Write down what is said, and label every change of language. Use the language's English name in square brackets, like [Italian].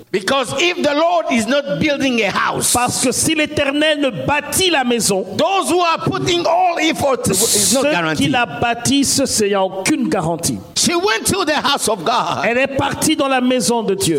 [English] Because if the Lord is not building a house, [French] parce que si l'Éternel ne bâtit la maison, [English] those who are putting all effort is not guaranteed. [French] Ceux qui la bâtissent, ce n'est aucune garantie. [English] She went to the house of God. [French] Elle est partie dans la maison de Dieu.